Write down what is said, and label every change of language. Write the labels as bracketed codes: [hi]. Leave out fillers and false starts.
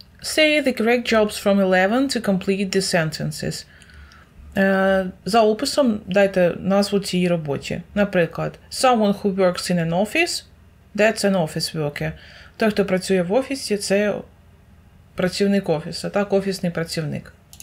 [en] Say the correct jobs from 11 to complete the sentences. [uk] За описом дайте назву цієї роботи. [en] Наприклад, someone who works in an office, that's an office worker. [uk] Той, хто працює в офісі, це працівник офісу, так, офісний працівник.